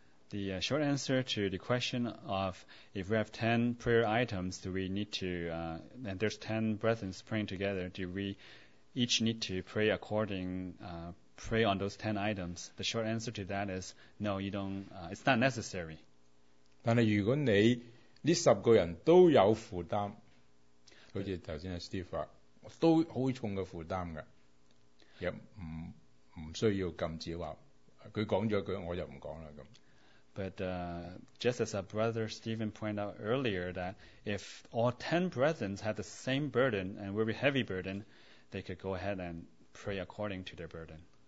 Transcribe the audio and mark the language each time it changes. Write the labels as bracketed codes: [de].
[en] The short answer to the question of if we have 10 prayer items, do we need to, and there's 10 brethren praying together, do we each need to pray according, pray on those 10 items? The short answer to that is no, you don't, it's not necessary. [zh] 但是如果你这十个人都有负担, 好像刚才Steve说, 都很重的负担的, 也不需要禁止话, 他讲了一句, 我就不讲了, [en] But just as our brother Stephen pointed out earlier, that if all 10 brethren had the same burden and very heavy burden, they could go ahead and pray according to their burden.